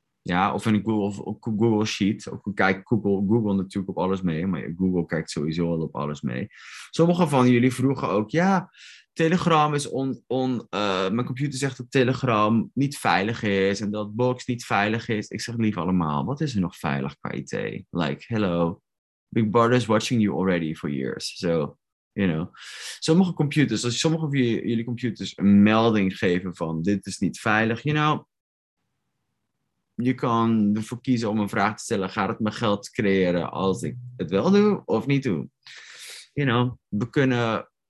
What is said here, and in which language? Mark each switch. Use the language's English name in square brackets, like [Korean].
[Dutch] Ja, of in Google Sheet. Ook kijk Google natuurlijk op alles mee. Maar Google kijkt sowieso al op alles mee. Sommigen van jullie vroegen ook... Ja, Telegram is mijn computer zegt dat Telegram niet veilig is. En dat Box niet veilig is. Ik zeg lief allemaal, wat is er nog veilig qua IT? [English] Like, hello. Big Brother is watching you already for years. So, you know. [Dutch] Sommige computers, als sommige van jullie computers een melding geven van... Dit is niet veilig, you know... Je kan ervoor kiezen om een vraag te stellen. Gaat het mijn geld creëren als ik het wel doe of niet doe? You know, we kunnen...